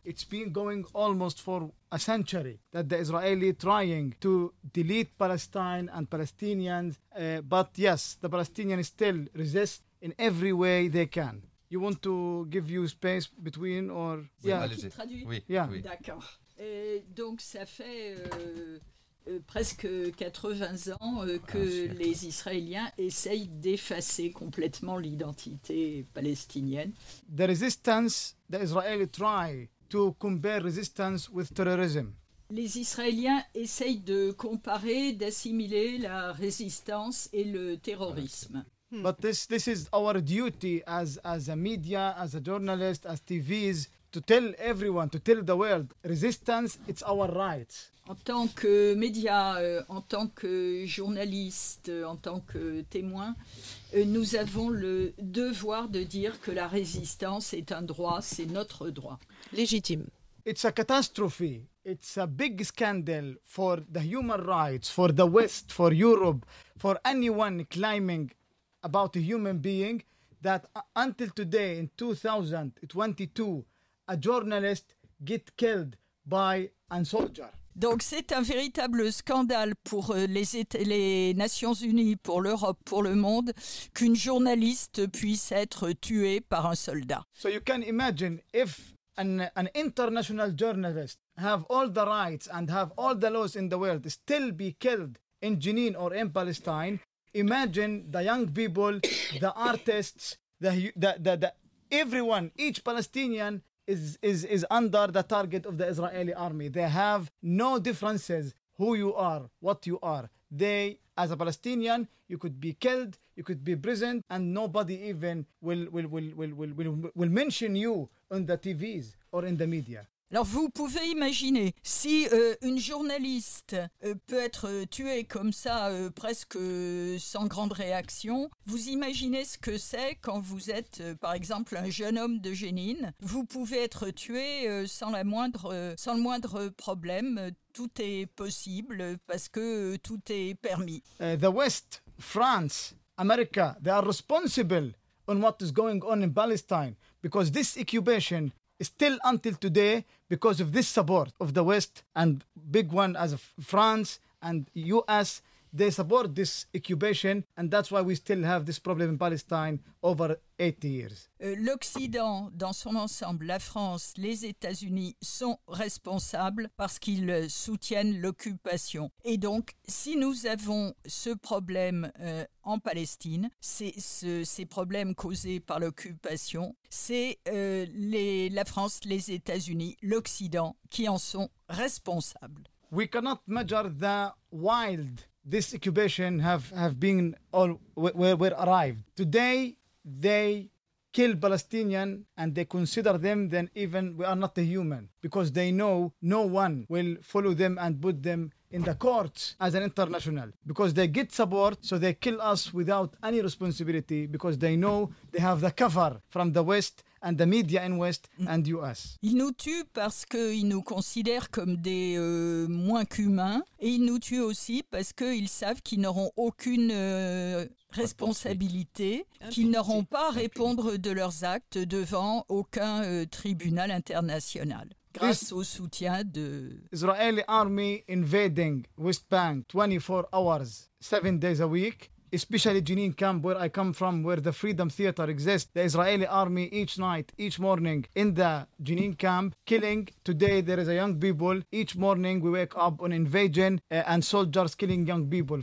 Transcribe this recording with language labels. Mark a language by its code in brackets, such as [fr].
[en] It's been going almost for a century that the Israeli trying to delete Palestine and Palestinians. But yes, the Palestinians still resist in every way they can. You want to give you space between or... [fr] Oui, [en] yeah. [fr] Malaisie. Oui, [en] yeah. [fr] Oui. D'accord. Donc ça fait presque 80 ans que les Israéliens essayent d'effacer complètement l'identité palestinienne. [en] The resistance, the Israeli try to compare resistance with terrorism. [fr] Les Israéliens essayent de comparer, d'assimiler la résistance et le terrorisme. [en] But this is our duty as a media, as a journalist, as TVs, to tell everyone, to tell the world, resistance, it's our right. [fr] En tant que média, en tant que journaliste, en tant que témoin, nous avons le devoir de dire que la résistance est un droit, c'est notre droit. Légitime. [en] It's a catastrophe. It's a big scandal for the human rights, for the West, for Europe, for anyone claiming about a human being, that until today, in 2022, a journalist get killed by a soldier. [fr] Donc c'est un véritable scandale pour les Nations Unies, pour l'Europe, pour le monde, qu'une journaliste puisse être tuée par un soldat. [en] So you can imagine if an international journalist have all the rights and have all the laws in the world still be killed in Jenin or in Palestine, imagine the young people, the artists, the everyone, each Palestinian is under the target of the Israeli army. They have no differences who you are, what you are. They, as a Palestinian, you could be killed, you could be imprisoned, and nobody even will mention you on the TVs or in the media. [fr] Alors vous pouvez imaginer, si une journaliste peut être tuée comme ça, presque sans grande réaction, vous imaginez ce que c'est quand vous êtes, par exemple, un jeune homme de Jénine. Vous pouvez être tué sans le moindre problème. Tout est possible parce que tout est permis. [en] The West, France, America, they are responsible on what is going on in Palestine because this occupation is still until today. Because of this support of the West and big one as France and US, they support this occupation and that's why we still have this problem in Palestine over 80 years. [fr] L'Occident, dans son ensemble, la France, les États-Unis sont responsables parce qu'ils soutiennent l'occupation. Et donc, si nous avons ce problème en Palestine, ces problèmes causés par l'occupation, c'est la France, les États-Unis, l'Occident qui en sont responsables. [en] We cannot measure the wild this occupation have been all where arrived. Today, they kill Palestinian and they consider them, then even we are not the human, because they know no one will follow them and put them in the courts as an international, because they get support, so they kill us without any responsibility, because they know they have the cover from the West and the media in West and US. [fr] Ils nous tuent parce qu'ils nous considèrent comme des moins qu'humains, et ils nous tuent aussi parce qu'ils savent qu'ils n'auront aucune responsabilité, qu'ils n'auront pas à répondre de leurs actes devant aucun tribunal international. Grâce au soutien de [en] Israeli army invading West Bank 24 hours, 7 days a week, especially Jenin camp where I come from, where the Freedom Theater exists. The Israeli army each night, each morning in the Jenin camp, killing. Today there is a young people. Each morning we wake up on invasion and soldiers killing young people.